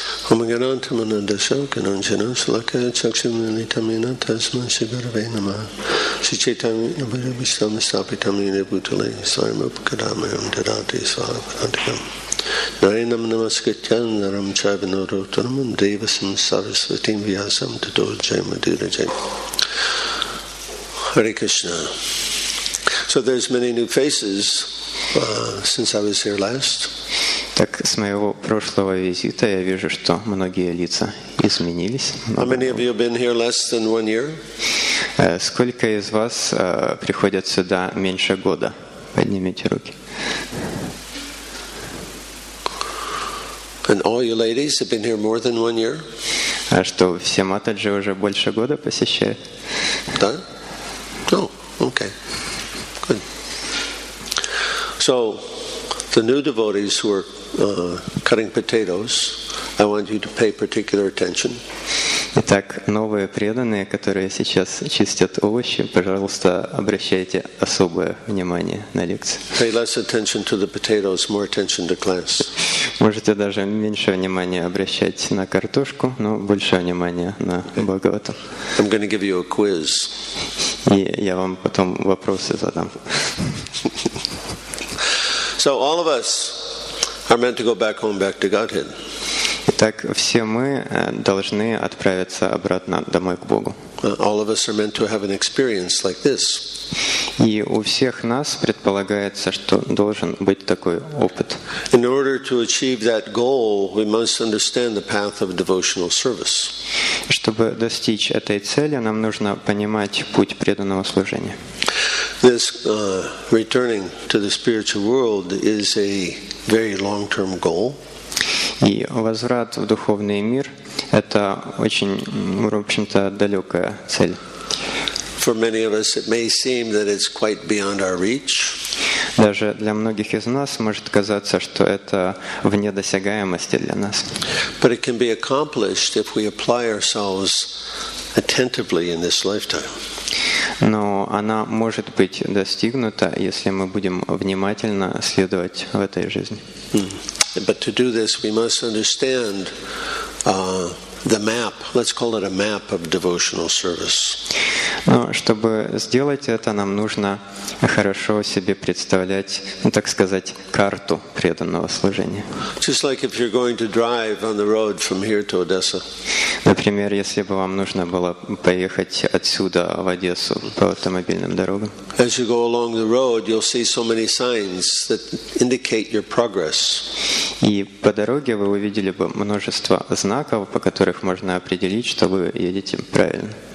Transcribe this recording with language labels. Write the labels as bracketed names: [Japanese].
[Sanskrit] Omagaranta manandasa kananjana salaka chakshamilitamina tasma sigarvenama sichetam abhavisham sapitamina bhutale sarmapakadamayam dadati sarapantikam nayanam namaskatyan naram chavinurutanam devasam sarasvatim vyasam tato jay madhurajay Hare Krishna. [English] So there's many new faces since I was here last. [Russian] Так с моего прошлого визита я вижу, что многие лица изменились. [English] How many of you have been here less than one year? [Russian] Сколько из вас приходят сюда меньше года? Поднимите руки. [English] And all you ladies have been here more than one year? [Russian] А что, все матаджи уже больше года посещают? Да? [English] No. Okay. Good. So the new devotees who are cutting potatoes, I want you to pay particular attention. [Russian] Итак, новые преданные, которые сейчас чистят овощи, пожалуйста, обращайте особое внимание на лекции. [English] Pay less attention to the potatoes, more attention to class. [Russian] Можете даже меньше внимания обращать на картошку, но больше внимания на Бхагаватам. [English] I'm going to give you a quiz. [Russian] И я вам потом вопросы задам. [English] So all of us are meant to go back home, back to Godhead. [Russian] Итак, все мы должны отправиться обратно домой к Богу. [English] All of us are meant to have an experience like this. [Russian] И у всех нас предполагается, что должен быть такой опыт. [English] In order to achieve that goal, we must understand the path of devotional service. [Russian] Чтобы достичь этой цели, нам нужно понимать путь преданного служения. [English] This returning to the spiritual world is a very long-term goal. [Russian] И возврат в духовный мир — это очень, в общем-то, далекая цель. [English] For many of us, it may seem that it's quite beyond our reach. [Russian] Даже для многих из нас может казаться, что это вне досягаемости для нас. [English] But it can be accomplished if we apply ourselves attentively in this lifetime. [Russian] Но она может быть достигнута, если мы будем внимательно следовать в этой жизни. [English] But to do this, we must understand the map. Let's call it a map of devotional service. [Russian] Но чтобы сделать это, нам нужно хорошо себе представлять, ну, так сказать, карту преданного служения. [English] Just like if you're going to drive on the road from here to Odessa. [Russian] Например, если бы вам нужно было поехать отсюда в Одессу по автомобильным дорогам. [English] As you go along the road, you'll see so many signs that indicate your progress. [Russian] И по дороге вы увидели бы множество знаков, по которых можно определить, что вы едете правильно.